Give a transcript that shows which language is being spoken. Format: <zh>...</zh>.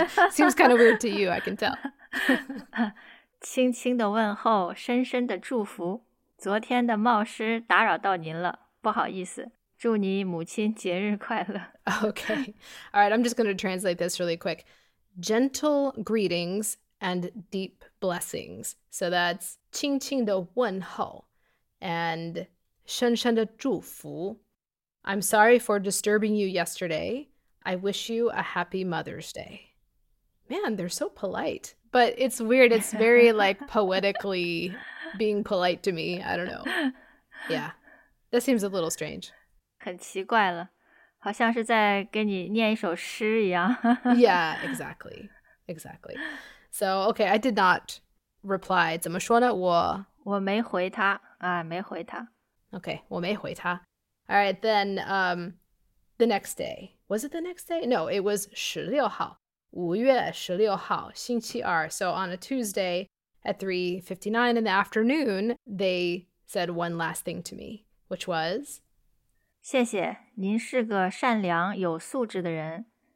<en>Seems kind of weird to you, I can tell.</en> <zh>轻轻的问候，深深的祝福。昨天的冒失打扰到您了，不好意思。祝你母亲节日快乐。</zh> <en>Okay. All right, I'm just going to translate this really quick. Gentle greetings and deep blessings. So that's</en> <zh>轻轻的问候</zh> <en>and</en> <zh>深深的祝福。</zh> <en>I'm sorry for disturbing you yesterday. I wish you a happy Mother's Day. Man, they're so polite. But it's weird. It's very like poetically being polite to me. I don't know. Yeah. That seems a little strange.</en> <zh>很奇怪了。好像是在跟你念一首诗一样。</zh> <en>Yeah, exactly. Exactly. So, okay, I did not reply.</en> <zh>怎么说呢?我没回他。啊,没回他。</zh> <en>Okay,</en> <zh>我没回他。</zh> <en>All right, then the next day. Was it the next day? No, it was 16号.5月16号,星期二. So on a Tuesday at 3:59 in the afternoon, they said one last thing to me, which was</en> <zh>谢谢,您是个善良有素质的人。</zh>